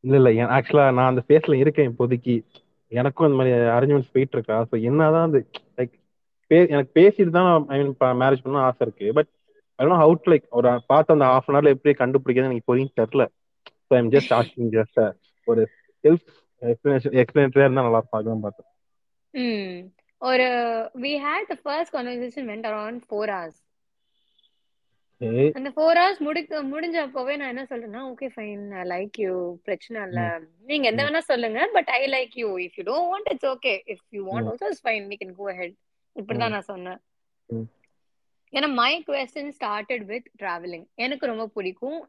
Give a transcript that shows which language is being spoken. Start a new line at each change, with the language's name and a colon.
Tamil: இல்ல இல்ல, ஆக்சுவலா நான் அந்த ஃபேஸ்ல இருக்கேன் இப்போதைக்கு, எனக்கும் அந்த மாதிரி அரேஞ்ச்மெண்ட்ஸ் போயிட்டு இருக்கா. சோ என்னதான் அது, லைக் எனக்கு பேசிட்டு தான் ஐ மீன் மேரேஜ் பண்ண ஆசை இருக்கு,
English: but I do have to,
Tamil: like ஒரு பார்த்த அந்த ஹாஃப் அன் அவர்ல எப்படி கண்டுபிடிக்கிறதுன்னு எனக்கு தெரியல.
English: so I am just asking,
Tamil: just ஒரு செல்ஃப் எக்ஸ்பிளனேட்டரியா இருந்தா நல்லா இருக்கும் பார்த்தேன்.
English: ஒரு we had the first conversation went around 4 hours. அந்த 4 hours
Tamil: முடிஞ்சப்பவே நான் என்ன சொல்றேன்னா,
English: okay fine, I like you,
Tamil: பிரச்சனை இல்ல, நீங்க என்ன வேணா சொல்லுங்க,
English: But I like you, if you don't want it's okay, if you want also it's fine, we can go ahead.
Tamil: இப்படிதான் நான் சொன்னேன். ஏன்னா
English: my question started with travelling,
Tamil: எனக்கு ரொம்ப பிடிக்கும்.